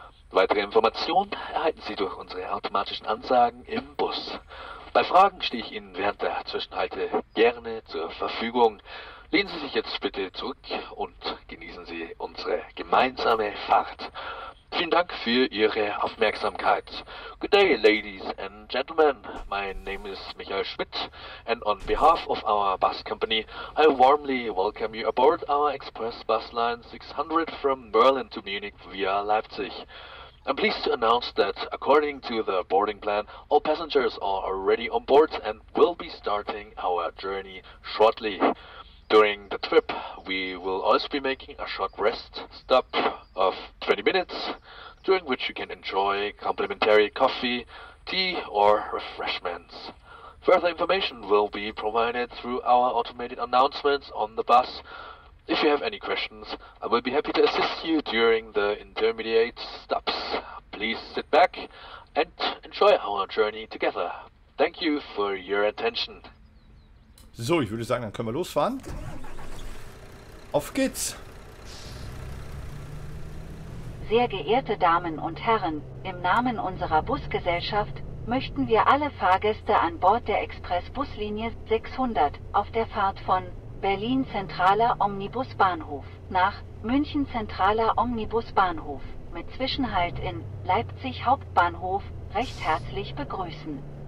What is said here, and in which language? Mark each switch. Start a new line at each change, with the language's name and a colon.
German: Weitere Informationen erhalten Sie durch unsere automatischen Ansagen im Bus. Bei Fragen stehe ich Ihnen während der Zwischenhalte gerne zur Verfügung. Lehnen Sie sich jetzt bitte zurück und genießen Sie unsere gemeinsame Fahrt. Vielen Dank für Ihre Aufmerksamkeit.
English: Good day, ladies and gentlemen. My name is Michael Schmidt, and on behalf of our bus company, I warmly welcome you aboard our express bus line 600 from Berlin to Munich via Leipzig. I'm pleased to announce that, according to the boarding plan, all passengers are already on board and will be starting our journey shortly. During the trip, we will also be making a short rest stop of 20 minutes, during which you can enjoy complimentary coffee, tea or refreshments. Further information will be provided through our automated announcements on the bus. If you have any questions, I will be happy to assist you during the intermediate stops. Please sit back and enjoy our journey together. Thank you for your attention.
German: So, ich würde sagen, dann können wir losfahren. Auf geht's! Sehr geehrte Damen und Herren, im Namen unserer Busgesellschaft möchten wir alle Fahrgäste an Bord der Expressbuslinie 600 auf der Fahrt von Berlin Zentraler Omnibusbahnhof nach München Zentraler Omnibusbahnhof mit Zwischenhalt in Leipzig Hauptbahnhof recht herzlich begrüßen.